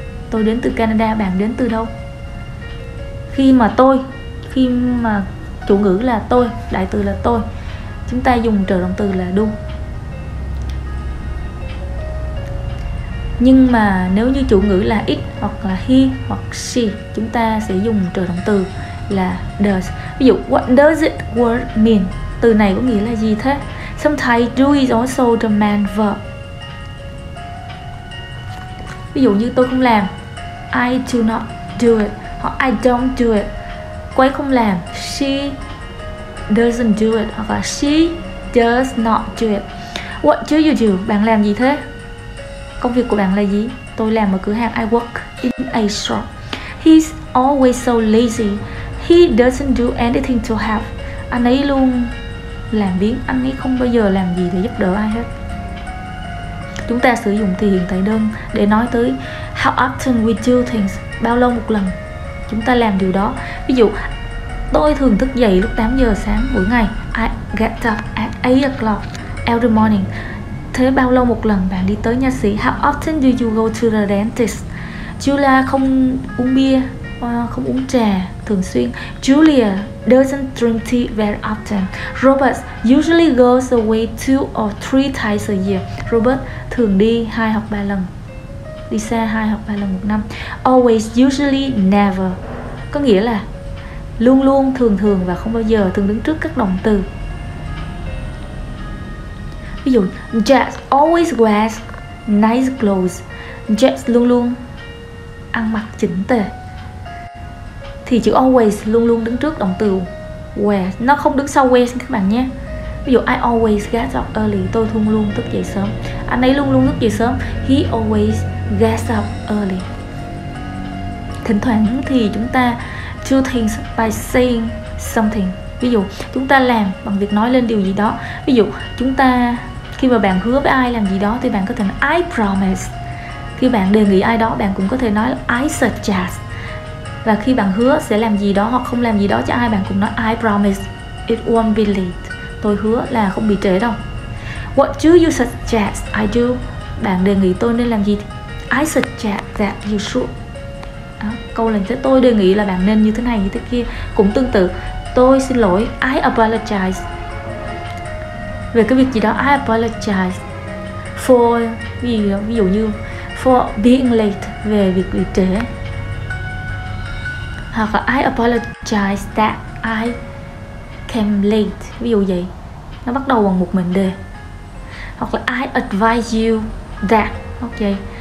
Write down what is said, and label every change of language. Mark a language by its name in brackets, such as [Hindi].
[Vietnamese] Tôi đến từ Canada, bạn đến từ đâu? Khi mà chủ ngữ là tôi, đại từ là tôi, chúng ta dùng trợ động từ là do. Nhưng mà nếu như chủ ngữ là it hoặc là he hoặc she, chúng ta sẽ dùng trợ động từ là does. Ví dụ, [English] what does it word mean? [Vietnamese] Từ này có nghĩa là gì thế? [English] Sometimes do is also the main verb. [Vietnamese] Ví dụ như tôi không làm, [English] I do not do it. [Vietnamese] Hoặc [English] I don't do it. [Vietnamese] Cô ấy không làm, [English] she doesn't do it. [Vietnamese] Hoặc là [English] she does not do it. What do you do? [Vietnamese] Bạn làm gì thế? Công việc của bạn là gì? Tôi làm ở cửa hàng. [English] I work in a shop. He's always so lazy. He doesn't do anything to help. [Vietnamese] Anh ấy luôn làm biếng. Anh ấy không bao giờ làm gì để giúp đỡ ai hết. Chúng ta sử dụng thì hiện tại đơn để nói tới [English] how often we do things. [Vietnamese] Bao lâu một lần chúng ta làm điều đó. Ví dụ, tôi thường thức dậy lúc 8 giờ sáng mỗi ngày. [English] I get up at 8 o'clock every morning. [Vietnamese] Thế bao lâu một lần bạn đi tới nha sĩ? [English] How often do you go to the dentist? [Vietnamese] Julia không uống bia, không uống trà thường xuyên. [English] Julia doesn't drink tea very often. Robert usually goes away 2 or 3 times a year. [Vietnamese] Robert thường đi 2 hoặc 3 lần. Đi xa 2 hoặc 3 lần một năm. [English] Always, usually, never. [Vietnamese] Có nghĩa là luôn luôn, thường thường và không bao giờ, thường đứng trước các động từ. [English] Ví dụ, Jack always wears nice clothes. [Vietnamese] Jack luôn luôn ăn mặc chỉnh tề. Thì chữ always luôn luôn đứng trước động từ wear. Nó không đứng sau wear các bạn nhé. [English] Ví dụ, I always get up early. [Vietnamese] Tôi luôn luôn thức dậy sớm. Anh ấy luôn luôn thức dậy sớm. [English] He always gets up early. [Vietnamese] Thỉnh thoảng thì chúng ta [English] do things by saying something. [Vietnamese] Ví dụ, chúng ta làm bằng việc nói lên điều gì đó. Ví dụ, chúng ta khi mà bạn hứa với ai làm gì đó thì bạn có thể nói I promise. Khi bạn đề nghị ai đó, bạn cũng có thể nói I suggest. Và khi bạn hứa sẽ làm gì đó hoặc không làm gì đó cho ai, bạn cũng nói [English] I promise it won't be late. [Vietnamese] Tôi hứa là không bị trễ đâu. [English] What do you suggest I do? [Vietnamese] Bạn đề nghị tôi nên làm gì? [English] I suggest that you should. [Vietnamese] Đó, câu lần thứ tôi đề nghị là bạn nên như thế này như thế kia. Cũng tương tự, tôi xin lỗi, I apologize. Về cái việc gì đó, I apologize for, ví dụ như [English] for being late, [Vietnamese] về việc bị trễ. Hoặc là [English] I apologize that I came late, [Vietnamese] ví dụ vậy. Nó bắt đầu bằng một mệnh đề. [English] Hoặc là I advise you that, ok.